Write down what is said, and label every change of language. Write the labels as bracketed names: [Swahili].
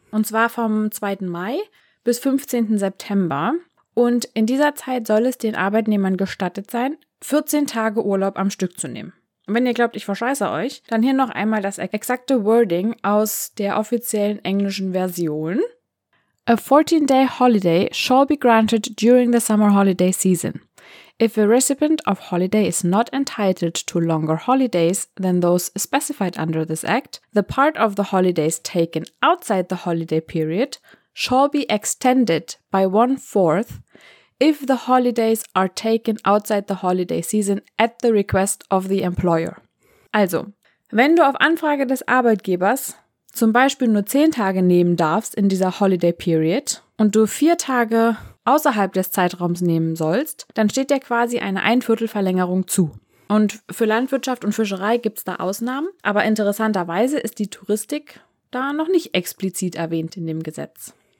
[German] Und zwar vom 2. Mai bis 15. September. Und in dieser Zeit soll es den Arbeitnehmern gestattet sein, 14 Tage Urlaub am Stück zu nehmen. Und wenn ihr glaubt, ich verscheiße euch, dann hier noch einmal das exakte Wording aus der offiziellen englischen Version. [English] A 14-day holiday shall be granted during the summer holiday season. If a recipient of holiday is not entitled to longer holidays than those specified under this act, the part of the holidays taken outside the holiday period shall be extended by 1/4 if the holidays are taken outside the holiday season at the request of the employer. [German] Also, wenn du auf Anfrage des Arbeitgebers zum Beispiel nur 10 Tage nehmen darfst in dieser Holiday Period und du 4 Tage außerhalb des Zeitraums nehmen sollst, dann steht dir quasi eine 1/4-Verlängerung zu. Und für Landwirtschaft und Fischerei gibt es da Ausnahmen, aber interessanterweise ist die Touristik da noch nicht explizit erwähnt in dem Gesetz.